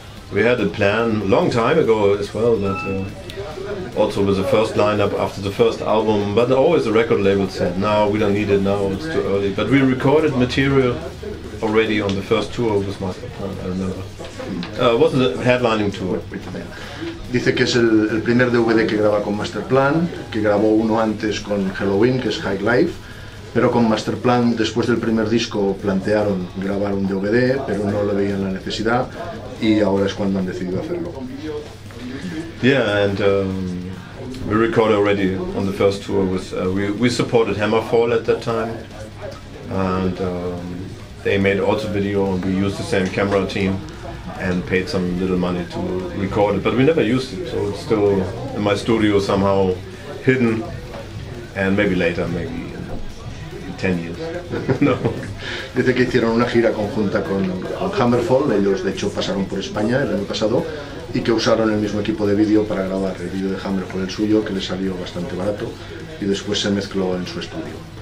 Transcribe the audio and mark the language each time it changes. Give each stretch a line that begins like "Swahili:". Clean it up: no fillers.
English: We had a plan long time ago as well, that also with the first lineup after the first album, but always the record label said, no, we don't need it now, it's too early. But we recorded material already on the first tour with Master Plan, I remember. It wasn't a headlining tour. Wait a minute.
Spanish: Dice que es el primer DVD que graba con Master Plan, que grabó uno antes con Halloween, que es High Life. Pero con Master Plan, después del primer disco, plantearon grabar un DVD, pero no lo veían la necesidad, y ahora es cuando han decidido hacerlo.
English: Yeah, and we recorded already on the first tour with we supported Hammerfall at that time, and they made also video, and we used the same camera team and paid some little money to record it, but we never used it, so it's still in my studio somehow hidden, and maybe later, maybe 10 years. No.
Spanish: Dice que hicieron una gira conjunta con Hammerfall, ellos de hecho pasaron por España el año pasado y que usaron el mismo equipo de vídeo para grabar el vídeo de Hammerfall, el suyo, que le salió bastante barato y después se mezcló en su estudio.